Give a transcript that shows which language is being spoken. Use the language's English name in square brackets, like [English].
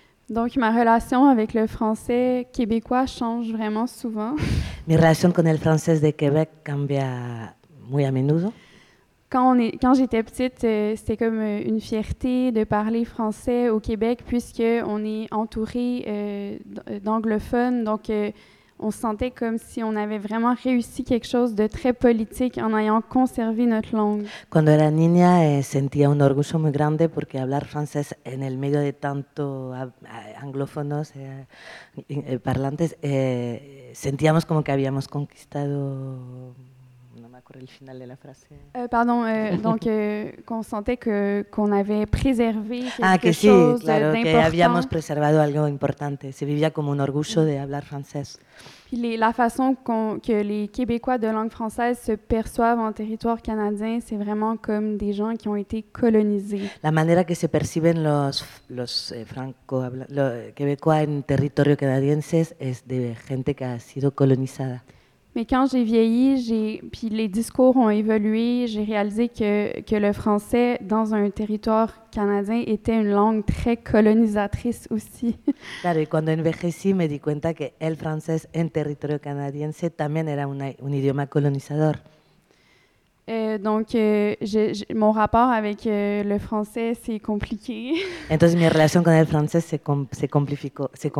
[French] Donc, ma relation avec le français québécois change vraiment souvent. [Spanish] Mi relación con el francés de Québec cambia muy a menudo. [French] Quand j'étais petite, c'était comme une fierté de parler français au Québec, puisque on est entouré d'anglophones, donc on sentait comme si on avait vraiment réussi quelque chose de très politique en ayant conservé notre langue. [Spanish] Cuando era niña sentía un orgullo muy grande porque hablar francés en el medio de tanto anglófonos parlantes sentíamos como que habíamos conquistado, no me [French] encore le final de la phrase. qu'on sentait qu'on avait préservé quelque chose d'important. [Spanish] Ah, que si, claro, que habíamos preservado algo importante. Se vivía como un orgullo de hablar francés. [French] Puis la façon que les Québécois de langue française se perçoivent en territoire canadien, c'est vraiment comme des gens qui ont été colonisés. [Spanish] La manera que se perciben los Québécois en territorio canadiense es de gente que ha sido colonizada. [French] Mais quand j'ai vieilli, puis les discours ont évolué, j'ai réalisé que le français dans un territoire canadien était une langue très colonisatrice aussi. [Spanish] Claro, y cuando envejecí me di cuenta que el francés en territorio canadiense también era un idioma colonizador. [French] Mon rapport avec le français, c'est compliqué. [Spanish] Entonces mi relación con el francés se complicó.